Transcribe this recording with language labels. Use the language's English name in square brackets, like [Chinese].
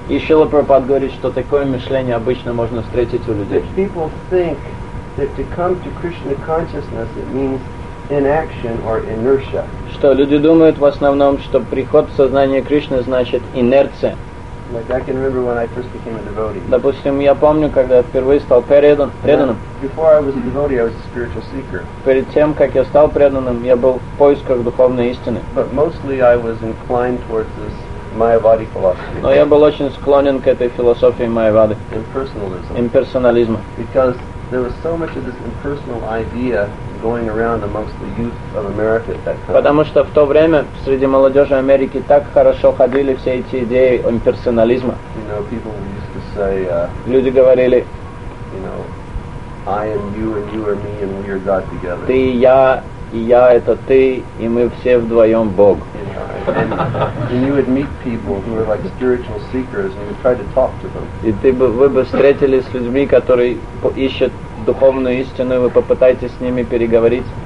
[Russian] И Шрила Прабхупада говорит, что такое мышление обычно можно встретить у людей. [English] That people think that to come to Krishna consciousness it means inaction or inertia. [Russian] Что люди думают в основном, что приход в сознание Кришны значит инерция. [English] Like I can remember when I first became a devotee. [Russian] Допустим, я помню, когда я впервые стал преданным. [English] Before I was a devotee, I was a spiritual seeker. [Russian] Перед тем, как я стал преданным, я был в поисках духовной истины. [English] But mostly I was inclined towards this Mayavadi philosophy. [Russian] Но я был очень склонен к этой философии Майявады. [English] Impersonalism. [Russian] Имперсонализма. [English] Because there was so much of this impersonal idea going around amongst the youth of America at that time. [Russian] Потому что в то время среди молодежи Америки так хорошо ходили все эти идеи о имперсонализме. [English] You know, people used to say. [Russian] Люди говорили. [English] You know, I am you and you are me and we are God together. [Russian] Ты я и я это ты и мы все вдвоем Бог. [English] And you would meet people who were like spiritual seekers and you would try to talk to them. [Russian] И вы бы встретились с людьми, которые ищут духовную истину, и вы попытаетесь с ними переговорить.